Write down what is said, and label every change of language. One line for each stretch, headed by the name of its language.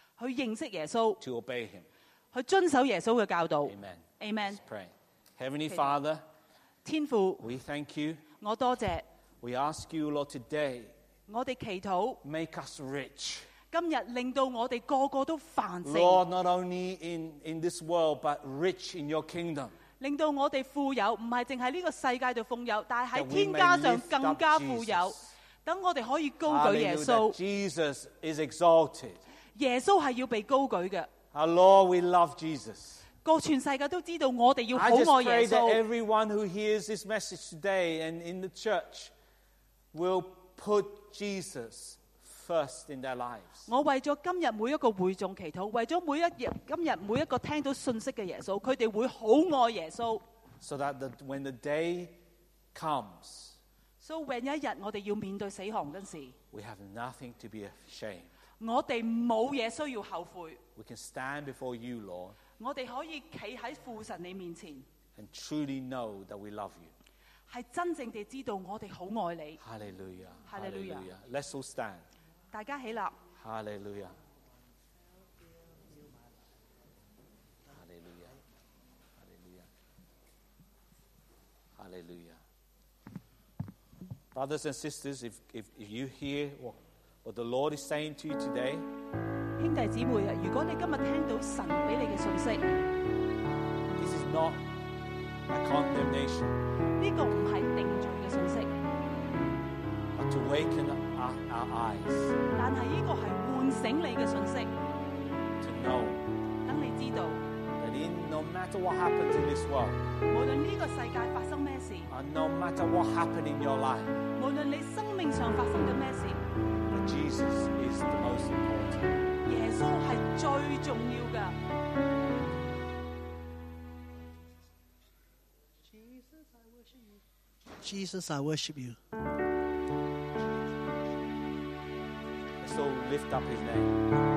Cantonese: 去认识耶稣。
English: To obey Him.
Cantonese: 去遵守耶稣嘅教导。
English: Amen. Amen. Let's pray. Heavenly Father.
Cantonese: 天父。
English: We thank you.
Cantonese: 我多谢。
English: We ask you, Lord, today.
Cantonese: 我哋祈祷。
English: Make us rich.
Cantonese: 今日令到我哋个个都繁盛。
English: Lord, not only in this world, but rich in your kingdom.
Cantonese: 令到我哋富有，唔系净系呢个世界度富有，但系喺天家上更加富有。等我哋可以高举耶稣。
English: Jesus is exalted.
Cantonese: 耶稣系要被高举嘅。
English: Our Lord, we love Jesus.
Cantonese: 个全世界都知道我哋要好爱耶稣。
English: I just pray that everyone who hears this message today and in the church will put Jesus. First in their lives.
Cantonese: 我为咗今日每一个会众祈祷，为咗每一日今日每一个听到信息嘅耶稣，佢哋会好爱耶稣。
English: So that when the day comes, so when
Cantonese: 一日我哋要面对死亡嗰时
English: ，we have nothing to be ashamed.
Cantonese: 我哋冇嘢需要后悔。
English: We can stand before you, Lord.
Cantonese: 我哋可以企喺父神你面前
English: ，and truly know that we love you.
Cantonese: 系真正地知道我哋好爱你。
English: Hallelujah. Hallelujah. Let's all stand.
Cantonese: 大家起立。
English: Hallelujah. Hallelujah. Hallelujah. Hallelujah. Brothers and sisters, if you hear what the Lord is saying to you today,
Cantonese: 兄弟姊妹啊，如果你今日听到神俾你嘅信息
English: ，This is not a condemnation.
Cantonese: 呢个唔系定罪嘅信息。
English: But to waken up. Our eyes,
Cantonese: 但系呢个系唤醒你嘅信息。
English: To know,
Cantonese: 等你知道。
English: That in no matter what happens in this world,
Cantonese: 无论呢个世界发生咩事。
English: And no matter what happens in your life,
Cantonese: 无论你生命上发生嘅咩事。
English: But Jesus is the most important.
Cantonese: 耶稣系最重要噶。
English: Jesus, I worship you. So lift up his name.